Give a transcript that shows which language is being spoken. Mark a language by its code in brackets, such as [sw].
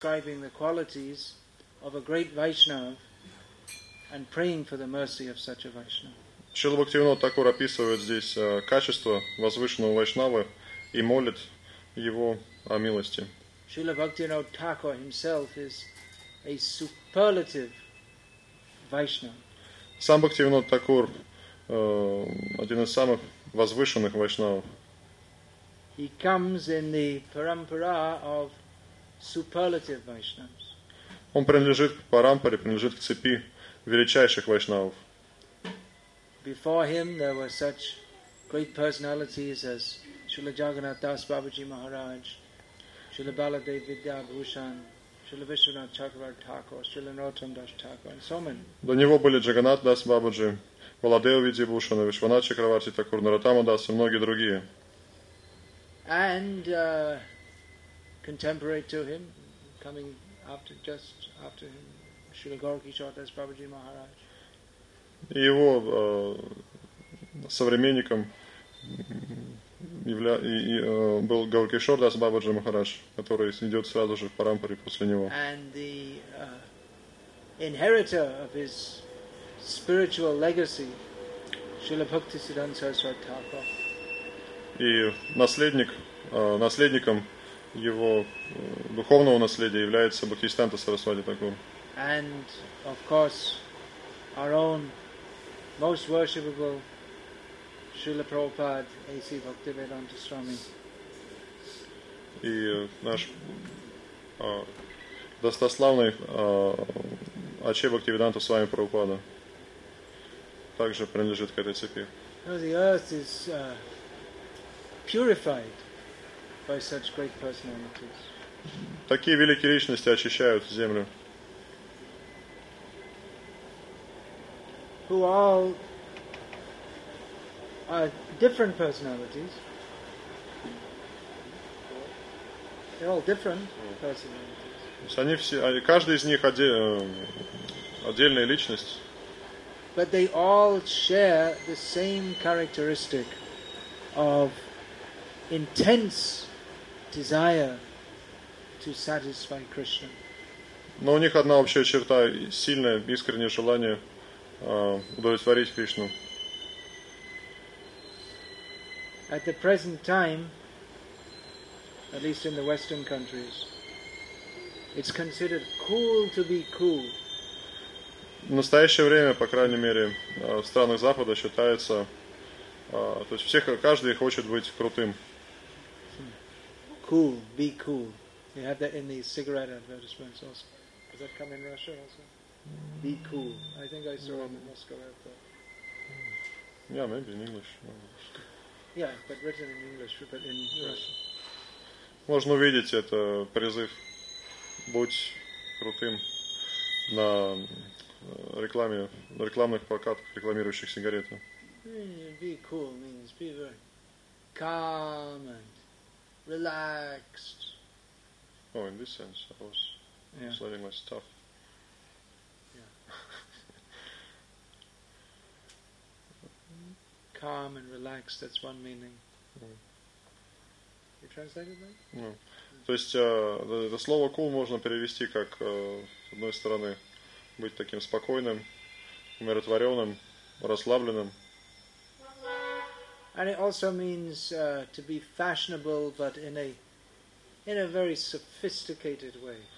[en] describing the qualities of a great Vaishnava and praying for the mercy of such a Vaishnava. [ru] Шрила Бхактивинода Тхакур описывает здесь качество возвышенного Вайшнавы и молит его о милости. [en] Шрила Бхактивинода Тхакур himself is a superlative Vaishnava. [ru] Сам Бхактивинода Тхакур один из самых возвышенных Вайшнавов. [en] He comes in the parampara of superlative Vaishnavas. [ru] Он принадлежит к парампаре, принадлежит к цепи величайших Вайшнавов. [en] Before him there were such great personalities as Srila Jagannath Das Babaji Maharaj, Srila Baladev Vidyabhushan, Srila Vishwanath Chakravarti Thakur, Srila Narottam Das Thakur, and so many. [ru] До него были Джаганнат Дас Бабаджи, Баладев Видьябхушан, Вишванат Чакраварти Такур, Наратама Дас и многие другие. [en] And contemporary to him, coming after just after him, Srila Gaurakishore Das Babaji Maharaj. [ru] Его современником был Гаурикишор Дас Бабаджи Махарадж, который идет сразу же в парампаре после него. [en] And the inheritor of his spiritual legacy, Srila Bhaktisiddhanta Saraswati Thakur. [ru] И наследник наследником его духовного наследия является Бхактисиддханта Сарасвати Такур. [en] And of course, our own most worshipable Srila Prabhupada, A.C. Bhaktivedanta Swami. [ru] И наш достославный Ачи Бхактивиданта Свами Прабхупада также принадлежит к этой цепи. [en] So the earth is purified by such great personalities. [ru] Такие великие личности очищают землю. [en] Who all are different personalities. They're all different personalities. [ru] Они все, каждый из них отдельная личность. [en] But they all share the same characteristic of intense desire to satisfy Krishna. [ru] Но у них одна общая черта – сильное, искреннее желание удовлетворить Кришну. [en] At the present time, at least in the Western countries, it's considered cool to be cool. [ru] В настоящее время, по крайней мере, в странах Запада считается, то есть всех, каждый хочет быть крутым. [en] Cool, be cool. You have that in the cigarette advertisements also. Does that come in Russia also? Be cool. I think I saw it in Moscow airport. Yeah, maybe in English. Yeah, but written in English, but in Russian. [ru] Можно увидеть это призыв. Будь крутым на рекламе, на рекламных плакатах, рекламирующих сигареты. [en] Be cool means be very calm and relaxed. Oh, in this sense, I was letting my stuff. Yeah. Calm and relaxed, that's one meaning. You translated that? No. [ru] То есть это слово cool можно перевести как с одной стороны быть таким спокойным, умиротворенным, расслабленным. [en] And it also means to be fashionable, but in a very sophisticated way.